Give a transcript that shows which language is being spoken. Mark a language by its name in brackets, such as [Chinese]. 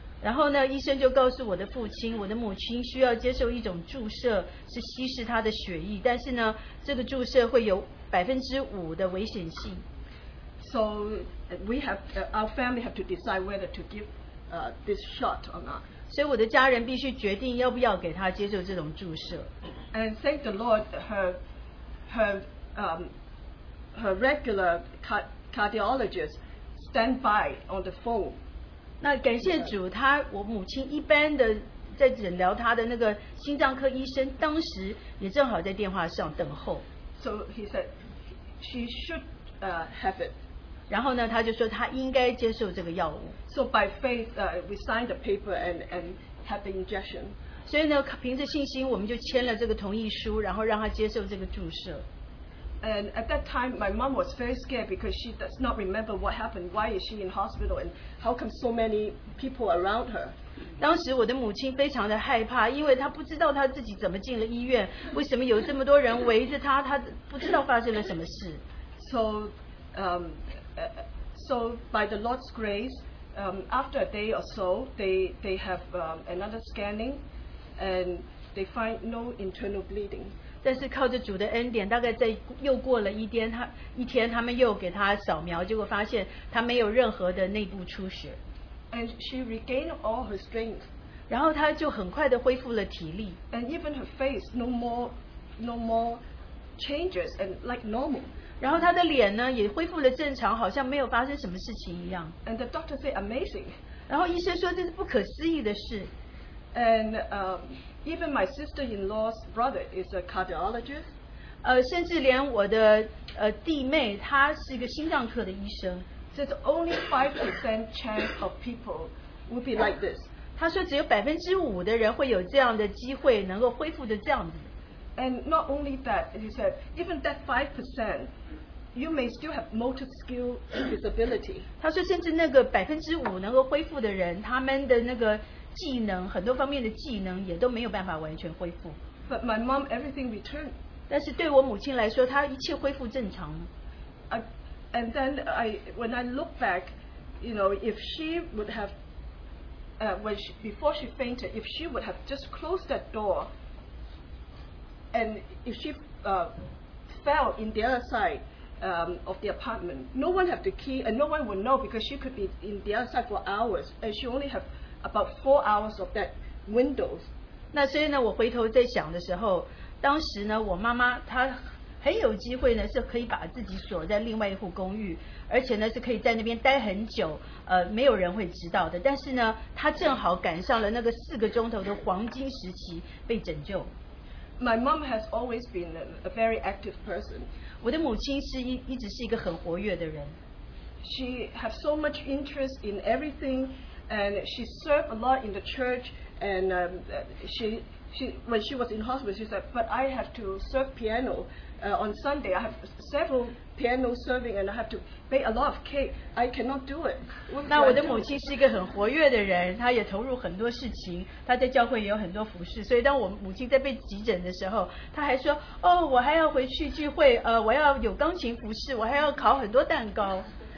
[Chinese] 然后呢，医生就告诉我的父亲，我的母亲需要接受一种注射，是稀释她的血液，但是呢，这个注射会有5%的危险性。 [English] So we have our family have to decide whether to give this shot or not. [Chinese] 所以我的家人必须决定要不要给她接受这种注射。 [English] And thank the Lord, her regular cardiologist stand by on the phone. [Chinese] 那感谢主，他我母亲一般的在诊疗他的那个心脏科医生，当时也正好在电话上等候。 [English] So he said she should have it. [Chinese] 然后呢，他就说他应该接受这个药物。 [English] So by faith, we signed the paper and had the injection. [Chinese] 所以呢，凭着信心，我们就签了这个同意书，然后让他接受这个注射。 [English] And at that time, my mom was very scared because she does not remember what happened. Why is she in hospital? And how come so many people around her? [Chinese] 当时我的母亲非常的害怕，因为她不知道她自己怎么进了医院，为什么有这么多人围着她，她不知道发生了什么事。 [English] So by the Lord's grace, after a day or so, they have another scanning, and they find no internal bleeding. [Chinese] 但是靠着主的恩典，大概在又过了一天，他们又给他扫描，结果发现他没有任何的内部出血。 [English] And she regained all her strength. [Chinese] 然后他就很快的恢复了体力。 [English] And even her face no more changes and like normal. [Chinese] 然后他的脸呢也恢复了正常，好像没有发生什么事情一样。 [English] And the doctor said amazing. [Chinese] 然后医生说这是不可思议的事。 [English] And even my sister-in-law's brother is a cardiologist. [Chinese] 甚至连我的弟妹，她是一个心脏科的医生。 [English] So it's only 5% chance of people will be like this. [Chinese] 她说只有5%的人会有这样的机会，能够恢复的这样子。 [English] And not only that, he said, even that 5%, you may still have motor skill disability. [Chinese] 她说甚至那个5%能够恢复的人，他们的那个技能，很多方面的技能也都没有办法完全恢复。 [English] But my mom, everything returned. [Chinese] 但是对我母亲来说，她一切恢复正常。 [English] And then when I look back, you know, if she would have, before she fainted, if she would have just closed that door, and if she fell in the other side of the apartment, no one have the key, and no one would know because she could be in the other side for hours, and she only have. About 4 hours of that windows. [Chinese] 那所以呢，我回头在想的时候，当时呢，我妈妈她很有机会呢，是可以把自己锁在另外一户公寓，而且呢是可以在那边待很久，没有人会知道的。但是呢，她正好赶上了那个4个钟头的黄金时期，被拯救。 [English] My mom has always been a very active person. [Chinese] 我的母亲是一直是一个很活跃的人。 [English] She has so much interest in everything. And she served a lot in the church, and when she was in hospital, she said, "But I have to serve piano on Sunday. I have several piano serving, and I have to bake a lot of cake. I cannot do it." [Chinese] 那我的母亲是一个很活跃的人，她也投入很多事情。她在教会也有很多服事，所以当我母亲在被急诊的时候，她还说：“哦，我还要回去聚会，我要有钢琴服事，我还要烤很多蛋糕。”